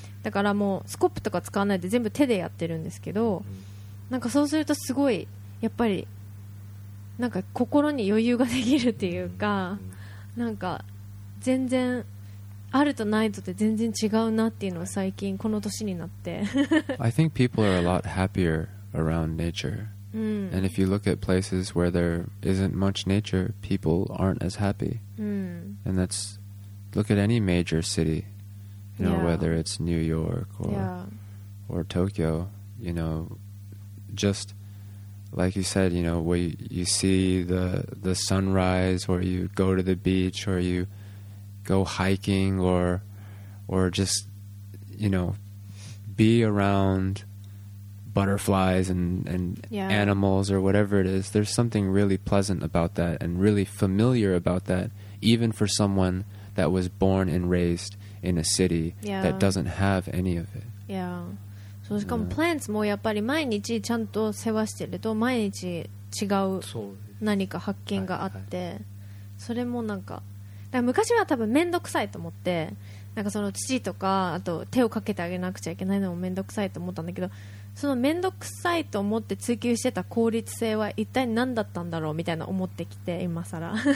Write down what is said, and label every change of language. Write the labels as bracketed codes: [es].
[ja] だからもうスコップとか使わないで全部手でやってるんですけど、なんかそうするとすごいやっぱりなんか心に余裕ができるっていうか、なんか全然あるとないとって全然違うなっていうのは最近この年になって [en] I think people are a lot happier around natureAnd if you look at places where there isn't much nature, people aren't as happy. And that's, look at any major city, you know, whether it's New York or Tokyo, you know, just like you said, you know, where you see the sunrise, or you go to the beach, or you go hiking, or just, you know, be aroundbutterflies and animals or whatever it is, there's something really pleasant about that and really familiar about that, even for someone that was born and raised in a city that doesn't have any of it. Yeah. [ja] So, しかも plants もやっぱり毎日ちゃんと世話してると毎日違う何か発見があって、それもなんか、だから昔は多分めんどくさいと思って、なんかその土とかあと手をかけてあげなくちゃいけないのもめんどくさいと思ったんだけど、そのめんどくさいと思って追求してた効率性は一体何だったんだろうみたいな思ってきて今さら